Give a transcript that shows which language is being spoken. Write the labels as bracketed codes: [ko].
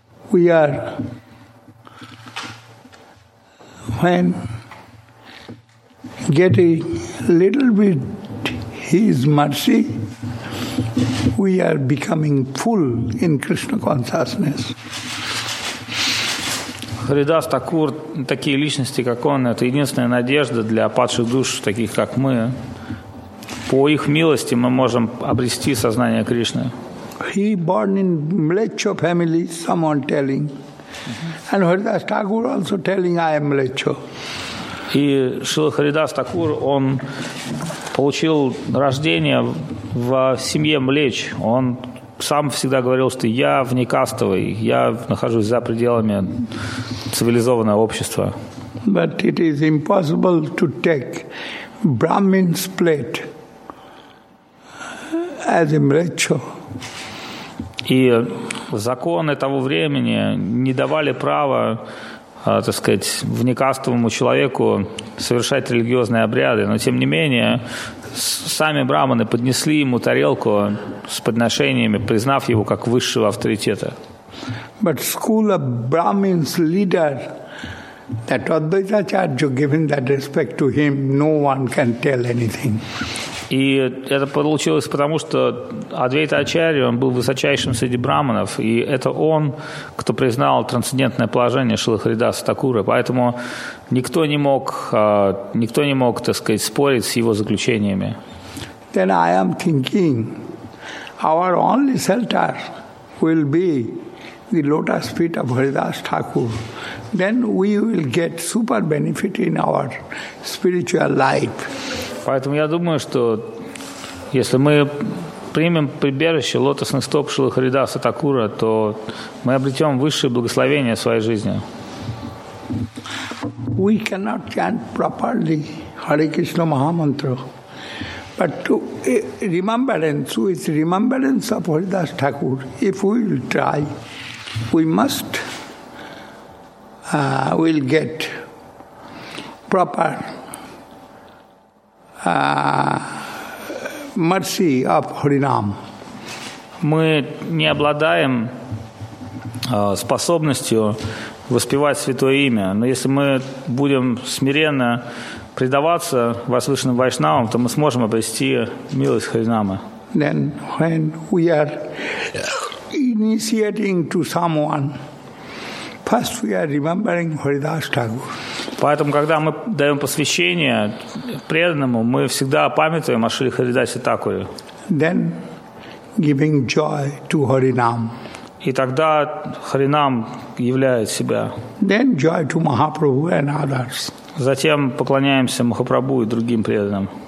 [en] We are when getting little bit his mercy, we are becoming full in Krishna consciousness. [ru] Харидас Такур, такие личности, как он, это единственная надежда для падших душ, таких как мы. По их милости мы можем обрести сознание Кришны. [en] He born in Mlecho family, someone telling. And Haridas Thakur also telling, I am Mlecho. [ru] И Шрила Харидас Такур, он получил рождение в семье Млеч. Он сам всегда говорил, что я внекастовый, я нахожусь за пределами цивилизованного общества. [en] But it is impossible to take Brahmin's plate as a Mlecho. [ru] И законы того времени не давали права, так сказать, внекастовому человеку совершать религиозные обряды. Но, тем не менее, сами браманы поднесли ему тарелку с подношениями, признав его как высшего авторитета. [en] But school of Brahmins leader, that Advaitacharya given that respect to him, no one can tell anything. [ru] И это получилось потому, что Адвейта Ачарья, он был высочайшим среди браманов, и это он, кто признал трансцендентное положение Шрилы Харидаса Такура. Поэтому никто не мог, так сказать, спорить с его заключениями. [en] Then I am thinking, our only shelter will be the lotus feet of Haridas Thakur. Then we will get super benefit in our spiritual life. [ru] Поэтому я думаю, что если мы примем прибежище лотосных стоп Шрилы Харидаса Такура, то мы обретем высшее благословение в своей жизни. [en] We cannot chant properly Hare Krishna Mahamantra, but to remembrance, with remembrance of Haridas Thakur, if we will try, we must will get proper mercy of Harinam. [ru] Мы не обладаем способностью воспевать святое имя, но если мы будем смиренно предаваться возвышенным вайшнавам, то мы сможем обрести милость Харинама. [en] Then when we are initiating to someone, first we are remembering Haridas Thakur. [ru] Поэтому, когда мы даем посвящение преданному, мы всегда памятуем о Шриле Харидасе Такуре. [en] Then giving joy to Harinam. [ru] И тогда Харинам являет себя. [en] Then joy to Mahaprabhu and others. [ru] Затем поклоняемся Махапрабху и другим преданным.